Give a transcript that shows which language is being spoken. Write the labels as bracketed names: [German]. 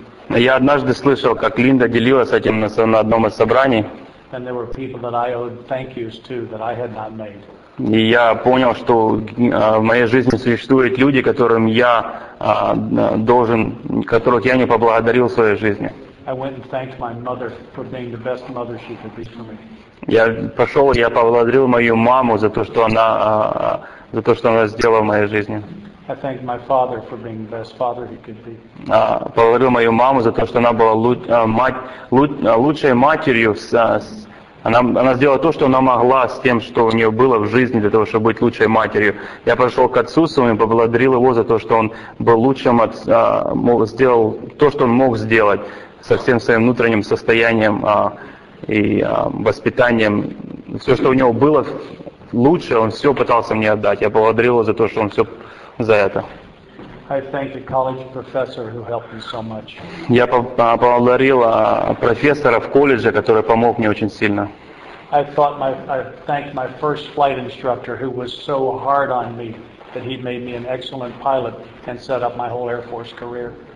[Russian] Я однажды слышал, как Линда делилась этим на одном из собраний. [English] And there were people that I owed thank yous to that I had not made. [Russian] И я понял, что в моей жизни существуют люди, которым я должен, которых я не поблагодарил в своей жизни. [English] I went and thanked my mother for being the best mother she could be for me. [Russian] Я пошел, я поблагодарил мою маму за то, что она сделала в моей жизни. [English] I thanked my father for being the best father he could be. [Russian] Поблагодарил мою маму за то, что она была лучшей матерью. Она сделала то, что она могла с тем, что у нее было в жизни, для того, чтобы быть лучшей матерью. Я пошел к отцу своему и поблагодарил его за то, что он был лучшим отцом, сделал то, что он мог сделать со всем своим внутренним состоянием и воспитанием. Все, что у него было лучше, он все пытался мне отдать. Я поблагодарил его за то, что он все... за это. [English] I thanked the college professor who helped me so much. [Russian] Я поблагодарил профессора в колледже, который помог мне очень сильно. [English] I thanked my first flight instructor who was so hard on me that he made me an excellent pilot and set up my whole Air Force career.